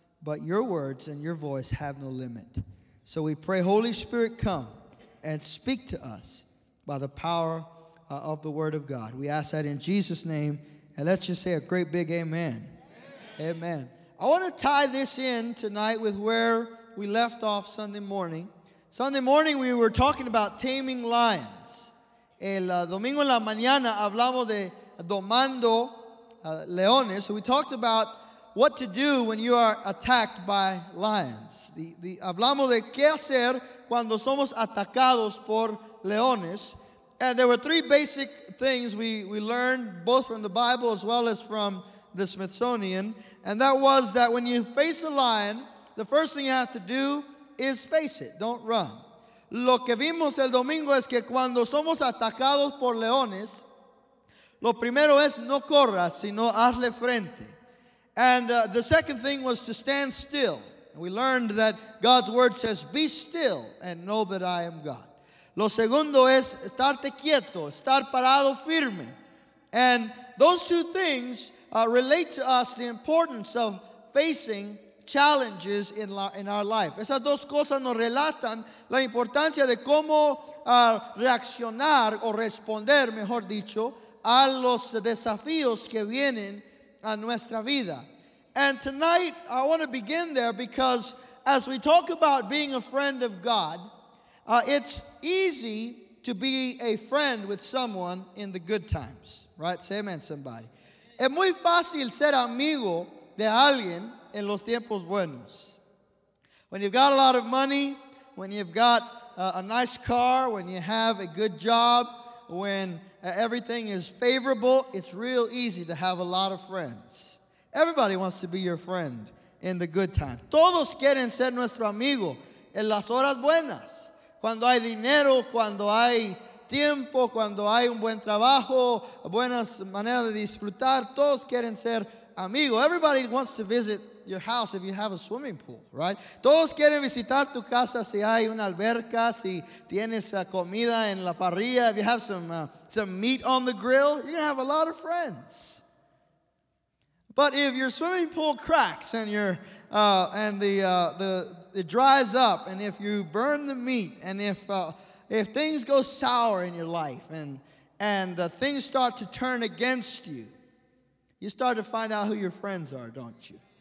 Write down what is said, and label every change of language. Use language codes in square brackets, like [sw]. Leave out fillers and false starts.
[en] But your words and your voice have no limit. So we pray, Holy Spirit, come and speak to us by the power of the word of God. We ask that in Jesus' name. And let's just say a great big amen. Amen. Amen. I want to tie this in tonight with where we left off Sunday morning. Sunday morning, we were talking about taming lions. [es] El domingo en la mañana, hablamos de domando leones. [en] So we talked about what to do when you are attacked by lions. [es] Hablamos de qué hacer cuando somos atacados por leones. [en] And there were three basic things we learned, both from the Bible as well as from the Smithsonian. And that was that when you face a lion, the first thing you have to do is face it. Don't run. [es] Lo que vimos el domingo es que cuando somos atacados por leones, lo primero es no corras, sino hazle frente. [en] And the second thing was to stand still. We learned that God's word says, be still and know that I am God. [es] Lo segundo es estarte quieto, estar parado firme. [en] And those two things relate to us the importance of facing challenges in our life. [es] Esas dos cosas nos relatan la importancia de cómo reaccionar o responder, mejor dicho, a los desafíos que vienen a nuestra vida. [en] And tonight, I want to begin there because as we talk about being a friend of God, it's easy to be a friend with someone in the good times, right? Say amen, somebody. [es] Es muy fácil ser amigo de alguien en los tiempos buenos. [en] When you've got a lot of money, when you've got a nice car, when you have a good job, when everything is favorable, it's real easy to have a lot of friends. Everybody wants to be your friend in the good times. [es] Todos quieren ser nuestro amigo en las horas buenas. Cuando hay dinero, cuando hay tiempo, cuando hay un buen trabajo, buenas maneras de disfrutar, todos quieren ser amigo. [en] Everybody wants to visit your house if you have a swimming pool, right? [es] Todos quieren visitar tu casa si hay una alberca, si tienes comida en la parrilla, [en] if you have some meat on the grill, you have a lot of friends. But if your swimming pool cracks and it dries up, and if you burn the meat, and if things go sour in your life, and things start to turn against you, you start to find out who your friends are, don't you?